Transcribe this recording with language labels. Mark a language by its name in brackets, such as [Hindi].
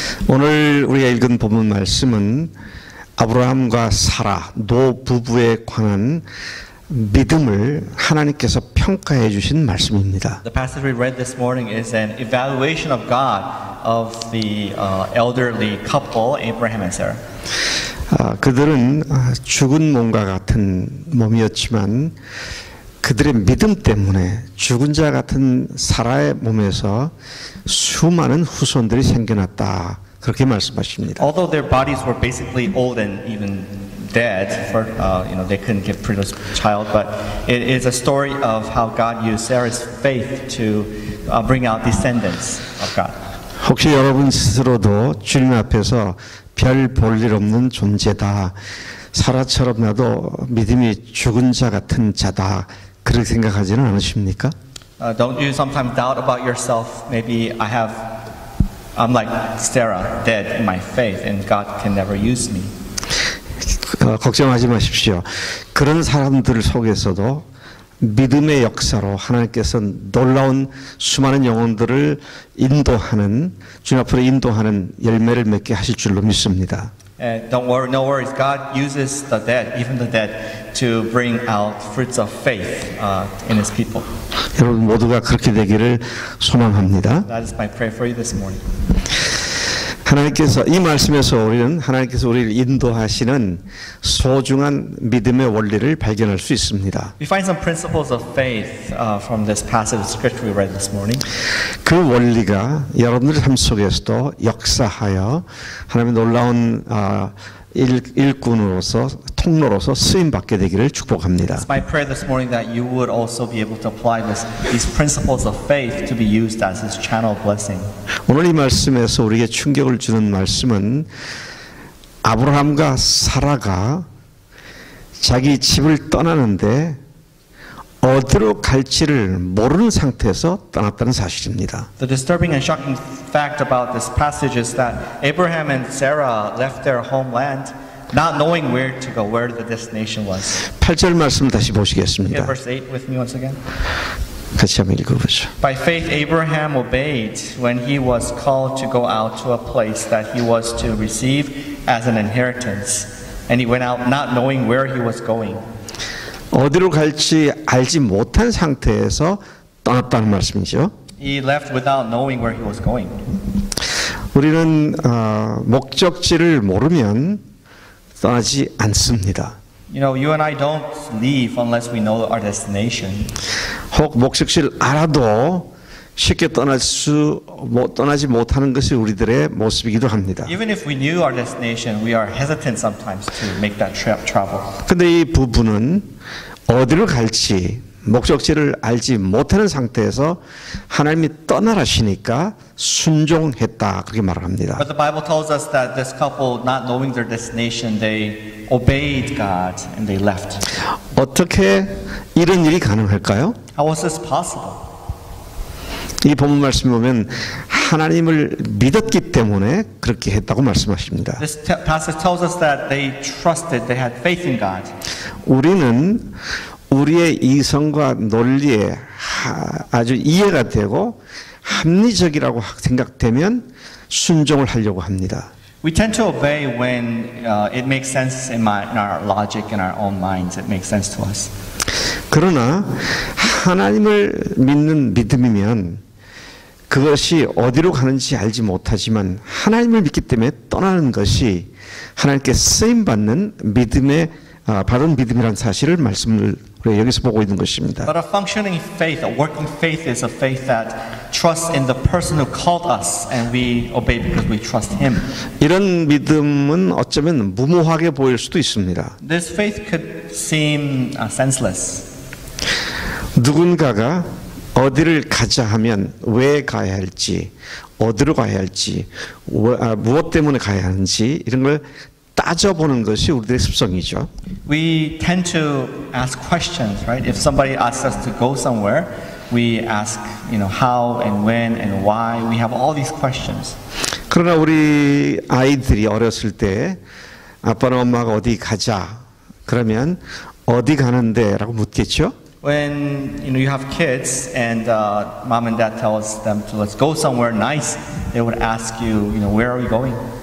[Korean] 오늘 우리가 읽은 본문 말씀은 아브라함과 사라, 노 부부에 관한 믿음을 하나님께서 평가해 주신 말씀입니다. [English] The passage we read this morning is an evaluation of God of the elderly couple Abraham and Sarah. [Korean] 그들은 죽은 몸과 같은 몸이었지만 그들의 믿음 때문에 죽은 자 같은 사라의 몸에서 수많은 후손들이 생겨났다. 그렇게 말씀하십니다. [English] Although their bodies were basically old and even dead, for, you know, they couldn't give previous child, but it is a story of how God used Sarah's faith to bring out descendants of God. [Korean] 혹시 여러분 스스로도 주님 앞에서 별 볼 일 없는 존재다, 사라처럼 나도 믿음이 죽은 자 같은 자다, 그렇게 생각하지는 않으십니까? [English] Don't you sometimes doubt about yourself? Maybe I have, I'm like Sarah, dead in my faith, and God can never use me. [Korean] 걱정하지 마십시오. 그런 사람들 속에서도 믿음의 역사로 하나님께서 놀라운 수많은 영혼들을 인도하는, 주님 앞으로 인도하는 열매를 맺게 하실 줄로 믿습니다. [English] Don't worry, no worries. God uses the dead, even the dead, to bring out fruits of faith in His people. [Korean] 여러분 모두가 그렇게 되기를 소망합니다. [English] That is my prayer for you this morning. [Korean] 하나님께서 이 말씀에서 우리는 하나님께서 우리를 인도하시는 소중한 믿음의 원리를 발견할 수 있습니다. [English] We find some principles of faith from this passage of scripture we read this morning. [Korean] 그 원리가 여러분들의 삶 속에서도 역사하여 하나님의 놀라운 일꾼으로서 통로로서 쓰임 받게 되기를 축복합니다. [English] It's my prayer this morning that you would also be able to apply these principles of faith to be used as His channel blessing. [Korean] 오늘 이 말씀에서 우리에게 충격을 주는 말씀은 아브라함과 사라가 자기 집을 떠나는데 어디로 갈지를 모르는 상태에서 떠났다는 사실입니다. [English] The disturbing and shocking fact about this passage is that Abraham and Sarah left their homeland not knowing where to go, where the destination was. [Korean] 8절 말씀 다시 보시겠습니다. [English] Yeah, verse 8 with me once again. [Korean] 같이 한번 읽어보죠. [English] By faith Abraham obeyed when he was called to go out to a place that he was to receive as an inheritance, and he went out not knowing where he was going. [Korean] 어디로 갈지 알지 못한 상태에서 떠났다는 말씀이죠. [English] He left without knowing where he was going. [Korean] 우리는 목적지를 모르면 떠나지 않습니다. [English] You know, you and I don't leave unless we know our destination. [Korean] 혹 목적지를 알아도 쉽게 떠나지 못하는 것이 우리들의 모습이기도 합니다. [English] Even if we knew our destination, we are hesitant sometimes to make that trip travel. [Korean] 근데 이 부부는 어디로 갈지 목적지를 알지 못하는 상태에서 하나님이 떠나라시니까 순종했다, 그렇게 말합니다. [English] But the Bible tells us that this couple, not knowing their destination, they obeyed God and they left. [Korean] 어떻게 이런 일이 가능할까요? [English] How was this possible? [Korean] 이 본문 말씀 보면 하나님을 믿었기 때문에 그렇게 했다고 말씀하십니다. [English] This passage tells us that they trusted, they had faith in God. [Korean] 우리는 우리의 이성과 논리에 아주 이해가 되고 합리적이라고 생각되면 순종을 하려고 합니다. [English] We tend to obey when it makes sense in our logic, in our own minds, it makes sense to us. [Korean] 그러나 하나님을 믿는 믿음이면 그것이 어디로 가는지 알지 못하지만 하나님을 믿기 때문에 떠나는 것이 하나님께 쓰임 받는 믿음의 받은 믿음이란 사실을 말씀을 여기서 보고 있는 것입니다. [English] But a functioning faith, a working faith is a faith that trusts in the person who called us and we obey because we trust him. [Korean] 이런 믿음은 어쩌면 무모하게 보일 수도 있습니다. [English] This faith could seem senseless. [Korean] 누군가가 어디를 가자 하면 왜 가야 할지, 어디로 가야 할지, 무엇 때문에 가야 하는지 이런 걸 따져보는 것이 우리들의 습성이죠. [English] We tend to ask questions, right? If somebody asks us to go somewhere, we ask, you know, how and when and why. We have all these questions. [Korean] 그러나 우리 아이들이 어렸을 때 아빠나 엄마가 어디 가자 그러면 어디 가는데라고 묻겠죠? [English] When you know you have kids and mom and dad tells them to let's go somewhere nice, they would ask you, you know, where are we going?